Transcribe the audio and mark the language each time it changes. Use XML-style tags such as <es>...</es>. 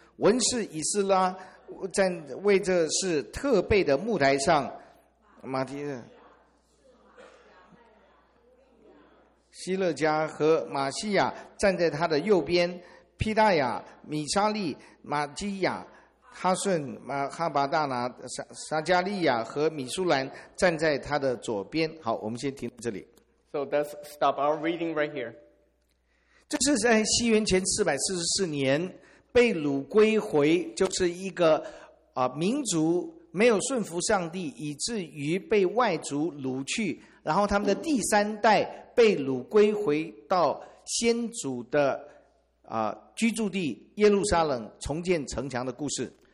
<zh>文士以斯拉站为这事特备的木台上，马提勒、希勒加和马西亚站在他的右边，皮大亚、米沙利、马基亚、哈顺、马哈巴大拿、沙加利亚和米苏兰站在他的左边。好，我们先停这里。</zh> <en>So let's stop our reading right here.</en> <zh>这是在西元前444年被掳归回，就是一个、民族没有顺服上帝，以至于被外族掳去，然后他们的第三代被掳归回到先祖的、居住地耶路撒冷重建城墙的故事。</zh>